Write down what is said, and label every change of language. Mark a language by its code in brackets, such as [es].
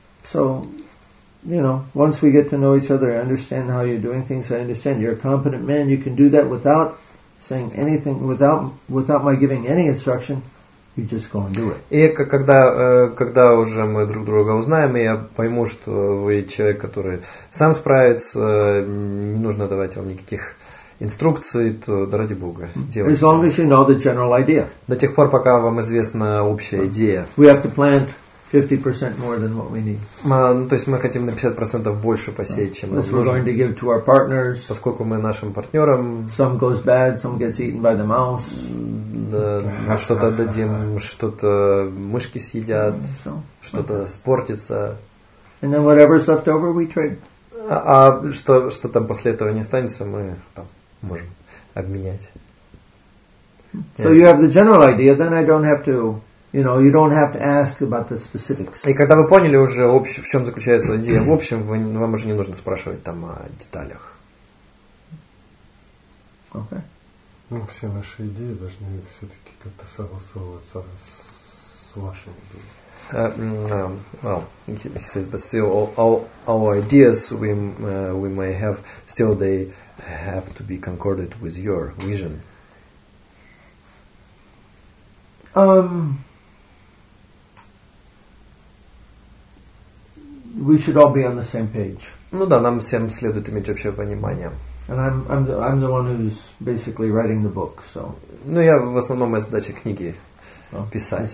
[en] So, you know, once we get to know each other, I understand how you're doing things, I understand you're a competent man, you can do that without saying anything, without my giving any instruction, you just go and do it. [ru] И когда уже мы друг друга узнаем, я пойму, что вы человек, который сам справится, не нужно давать вам никаких инструкций, то да ради Бога, делайте. [en] As long as you know the general idea. [ru] До тех пор, пока вам известна общая идея. [en] We have to plant 50% more than what we need. [ru] Ну, то есть мы хотим на 50% больше посеять, чем нам нужно. [en] We're going to give to our partners. [ru] Поскольку мы нашим партнерам. [en] Some goes bad, some gets eaten by the mouse. [ru] Да, что-то отдадим, что-то мышки съедят, что-то испортится. [en] And then whatever's left over, we trade. [ru] А что там после этого не останется, мы там можем обменять. [en] So you have the general idea, then I don't have to. You know, you don't have to ask about the specifics. [ru] И когда вы поняли уже в чем заключается идея, в общем, вам уже не нужно спрашивать там о деталях. [en] Okay. [ru] Ну, все наши идеи должны все-таки как-то согласовываться с вашими идеями. [en] Well, he says, but still, all our ideas we may have, still they have to be concorded with your vision. We should all be on the same page. [ru] Ну да, нам всем следует иметь общее понимание. [en] And I'm the one who's basically writing the book, so. [ru] Ну я в основном моя задача книги писать.